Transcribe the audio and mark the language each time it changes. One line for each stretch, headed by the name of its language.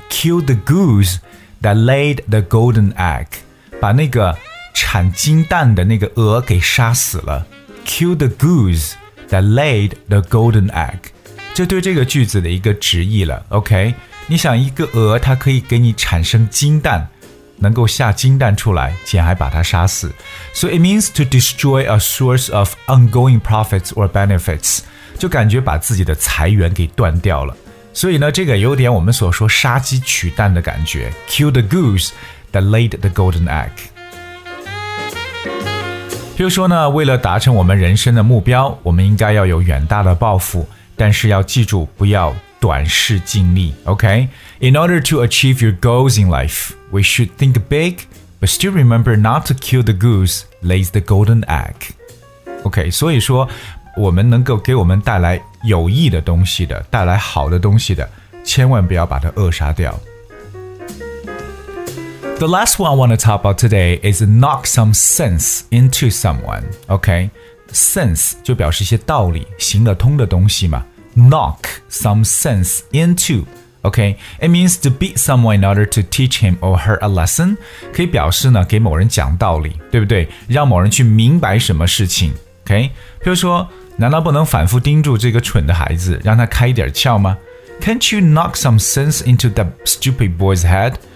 English: Kill the goose that laid the golden egg.
Chinese: 把那个产金蛋的那个鹅给杀死了。
English: Kill the goose that laid the golden egg.
Chinese: 这对这个句子的一个直译了。 OK? 你想一个鹅它可以给你产生金蛋能够下金蛋出来竟还把它杀死。
English: So it means to destroy a source of ongoing profits or benefits.
Chinese: 就感觉把自己的财源给断掉了。所以呢这个有点我们所说杀鸡取蛋的感觉。
English: Kill the goose that laid the golden egg.
Chinese: 比如说呢为了达成我们人生的目标我们应该要有远大的抱负但是要记住不要短视尽力。 OK?
English: In order to achieve your goals in life, we should think big, but still remember not to kill the goose that lays the golden egg.
Chinese: OK, 所以说我们能够给我们带来有益的东西的带来好的东西的千万不要把它扼杀掉
English: The last one I want to talk about today is knock some sense into someone OK
Chinese: Sense 就表示一些道理行得通的东西嘛 Knock some sense into
English: Okay, it means to beat someone in order to teach him or her a lesson.
Chinese: 可以表示呢给某人讲道理，对不对？让某人去明白什么事情。 Okay, 比如说，难道不能反复叮嘱这个蠢的孩子，让他开点窍吗？
English: Can't you knock some sense into that stupid boy's head?